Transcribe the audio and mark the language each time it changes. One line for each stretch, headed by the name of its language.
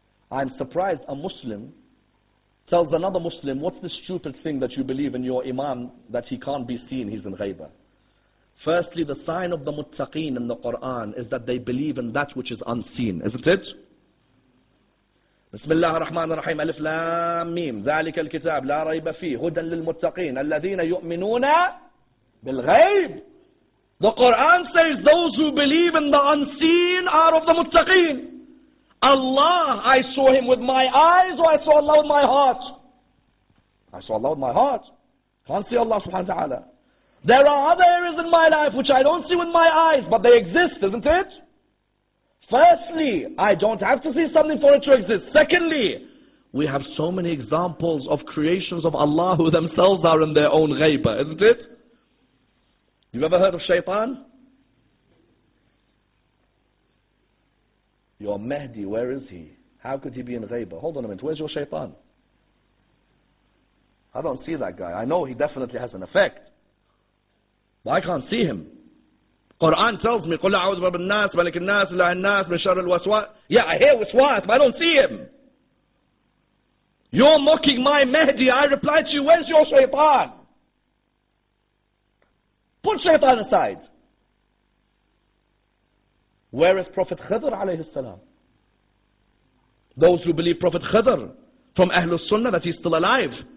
English: I'm surprised a Muslim tells another Muslim, what's the stupid thing that you believe in your imam that he can't be seen, he's in ghaybah. Firstly, the sign of the muttaqeen in the Quran is that they believe in that which is unseen, isn't it?
Arabic: Bismillah ar-Rahman ar-Rahim, alif lam mim, ذلك الكتاب لا ريب فيه هدى للمتقين الذين يؤمنون بالغيب.
English: The Quran says those who believe in the unseen are of the muttaqeen. Allah, I saw him with my eyes, or I saw Allah with my heart? I saw Allah with my heart. Can't see Allah subhanahu wa ta'ala. There are other areas in my life which I don't see with my eyes, but they exist, isn't it? Firstly, I don't have to see something for it to exist. Secondly, we have so many examples of creations of Allah who themselves are in their own ghaybah, isn't it? You ever heard of shaitan? Your Mahdi, where is he? How could he be in ghaybah? Hold on a minute, where's your shaitan? I don't see that guy. I know he definitely has an effect, but I can't see him. Quran tells me,
Arabic: قُلْ أَعُوذُ بِرَبِّ النَّاسِ مَلِكِ النَّاسِ إِلَهِ النَّاسِ مِنْ شَرِّ الْوَسْوَاسِ.
English: Yeah, I hear waswas, but I don't see him. You're mocking my Mahdi. I replied to you, where's your shaitan? Put shaitan aside. Where is Prophet Khidr alayhi salam? Those who believe Prophet Khidr from Ahlul Sunnah, that he's still alive.